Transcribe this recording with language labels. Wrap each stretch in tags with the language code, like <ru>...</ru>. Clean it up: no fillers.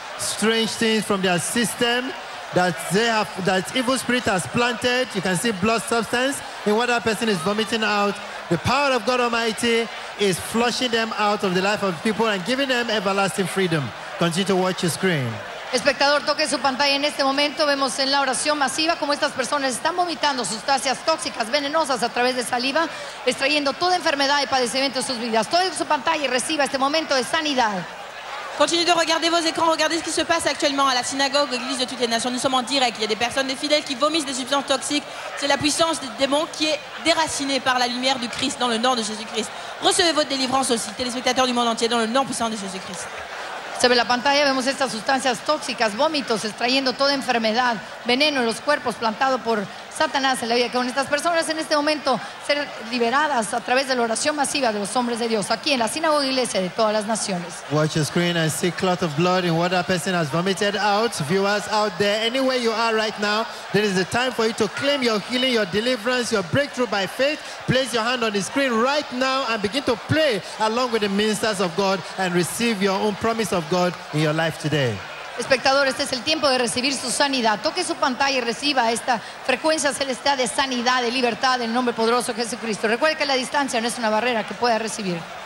<en>Strange things from their system. That evil spirit has planted. You can see blood substance in what that person is vomiting out. The power of God Almighty is flushing them out of the life of people and giving them everlasting freedom. Continue to watch your screen.</en> <es>Espectador, toque su pantalla en este momento. Vemos en la oración masiva cómo estas personas están vomitando sustancias tóxicas, venenosas a través de saliva, extrayendo toda enfermedad y padecimiento de sus vidas. Toque su pantalla y reciba este momento de sanidad.</es> <fr>Continuez de regarder vos écrans, regardez ce qui se passe actuellement à la synagogue, église de toutes les nations. Nous sommes en direct, il y a des personnes, des fidèles qui vomissent des substances toxiques. C'est la puissance des démons qui est déracinée par la lumière du Christ dans le nom de Jésus-Christ. Recevez votre délivrance aussi, téléspectateurs du monde entier, dans le nom puissant de Jésus-Christ.</fr> <es>Sobre la pantalla vemos estas sustancias tóxicas, vómitos, extrayendo toda enfermedad, veneno en los cuerpos plantado por Satanás en la vida. Que con estas personas en este momento ser liberadas a través de la oración masiva de los hombres de Dios aquí en la sinagoga iglesia de todas las naciones.</es> <en>Watch your screen and see clot of blood in what that person has vomited out. Viewers out there, anywhere you are right now, this is the time for you to claim your healing, your deliverance, your breakthrough by faith. Place your hand on the screen right now and begin to play along with the ministers of God and receive your own promise of God in your life today.</en> <es>Espectador, este es el tiempo de recibir su sanidad. Toque su pantalla y reciba esta frecuencia celestial de sanidad, de libertad, en el nombre poderoso de Jesucristo. Recuerde que la distancia no es una barrera que pueda recibir.</es>